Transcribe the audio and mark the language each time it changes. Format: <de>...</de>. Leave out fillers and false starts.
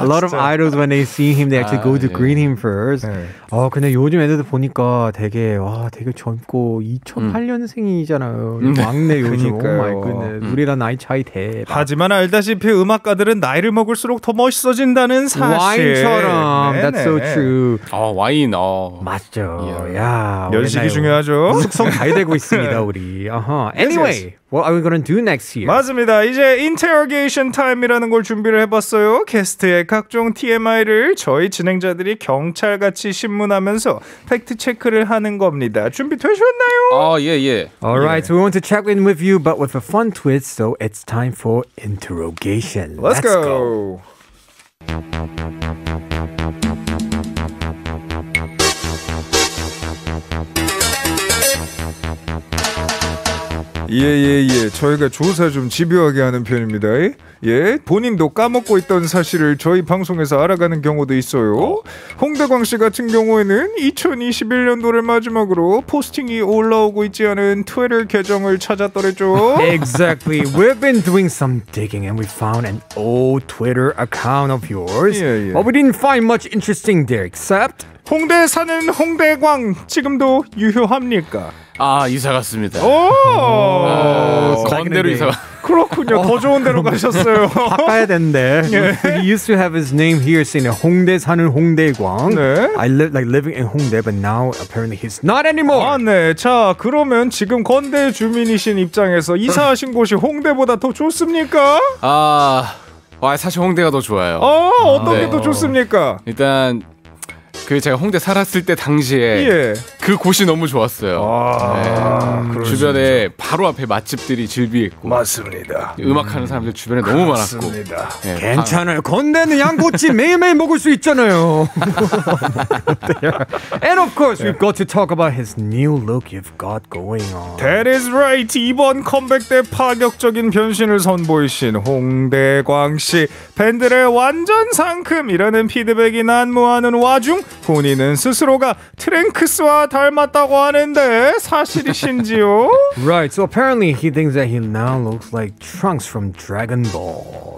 <en>A lot of idols when they see him, they actually go to 예. greet him first.</en> <ko>예. 아, 근데 요즘 애들 보니까 되게, 와, 되게 젊고, 2008년생이잖아요. 막내 요즘.</ko> <en>Oh my goodness.</en> <ko>우리랑 나이 차이 대박. 하지만 알다시피 음악가들은 나이를 먹을수록 더 멋있어진다는 사실. 와인처럼. 네네.</ko> <en>That's so true.</en> <ko>아, 와인. 맞죠. 야, 연식이 중요하죠. 숙성 잘 되고 있습니다, 우리. Uh-huh.</ko> <en>Anyway, what are we going to do next year?</en> <ko>맞습니다. 이제</ko> <en>interrogation time</en> <ko>이라는 걸 준비를 해봤어요. 게스트의 각종 TMI를 저희 진행자들이 경찰같이 신문하면서 팩트체크를 하는 겁니다. 준비되셨나요? 아, 예, 예.</ko> <en>Alright, yeah. so we want to check in with you, but with a fun twist, so it's time for interrogation. Let's go! Yeah, yeah, yeah.</en> <ko>저희가 조사 좀 집요하게 하는 편입니다. 예, 본인도 까먹고 있던 사실을 저희 방송에서 알아가는 경우도 있어요. 홍대광 씨 같은 경우에는 2021년도를 마지막으로 포스팅이 올라오고 있지 않은 트위터 계정을 찾았더랬죠.</ko> <en>Exactly. We've been doing some digging and we found an old Twitter account of yours. Yeah, yeah. But we didn't find much interesting there except</en> <ko>홍대에 사는 홍대광 지금도 유효합니까? 아, 이사 갔습니다. 오! 건대로 이사 그렇군요. 더 좋은 데로 가셨어요. 바꿔야 된대.</ko> <en>Yeah. He used to have his name here saying</en> <ko>홍대 사는 홍대광. 네.</ko> <en>I live like living in 홍대 but now apparently he's not anymore.</en> <ko>아, 네. 자, 그러면 지금 건대 주민이신 입장에서 이사하신 곳이 홍대보다 더 좋습니까? 아, 와, 사실 홍대가 더 좋아요. 아, 어떤 게 더 좋습니까? 일단 그 제가 홍대 살았을 때 당시에 예. 그 곳이 너무 좋았어요. 아, 네. 주변에 진짜. 바로 앞에 맛집들이 즐비했고 맞습니다. 음악하는 사람들 주변에 너무 많았고 네, 괜찮아요. 방... 건대는 양꼬치 매일매일 먹을 수 있잖아요.</ko> <en>And of course we've got to talk about his new look you've got going on. That is right.</en> <ko>이번 컴백 때 파격적인 변신을 선보이신 홍대광씨 팬들의 완전 상큼이라는 피드백이 난무하는 와중 본인은 스스로가 트랭크스와 닮았다고 하는데 사실이신지요?</ko> <en>Right, so apparently he thinks that he now looks like Trunks from Dragon Ball.</en>